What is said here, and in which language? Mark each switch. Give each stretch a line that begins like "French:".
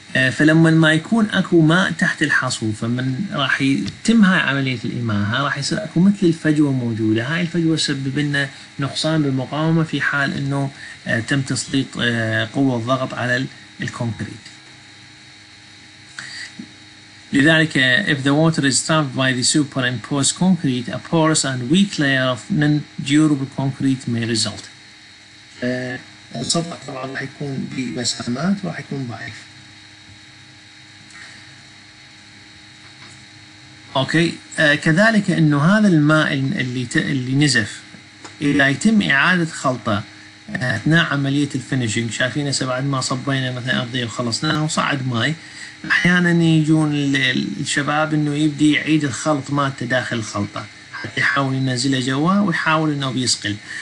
Arabic: فلما ما يكون أكو ماء تحت الحصو، فمن راح يتم هاي عملية الإماهة راح يصير أكو مثل الفجوة موجودة، هاي الفجوة سبب لنا نقصان بالمقاومة في حال أنه تم تسليط قوة الضغط على الكونكريت.
English: لذلك if the water is trapped by the superimposed concrete, a porous and weak layer of non-durable concrete may result.
Arabic: السطح طبعا راح يكون بمسامات وراح يكون ضعيف. اوكي. كذلك انه هذا الماء اللي نزف اذا يتم اعاده خلطه اثناء عمليه الفينشينج، شايفين هسه بعد ما صبينا مثلا ارضيه وخلصناها وصعد ماء، احيانا يجون الشباب انه يبدي يعيد الخلط مالته داخل الخلطه حتى يحاول ينزله جوا ويحاول انه بيسقل.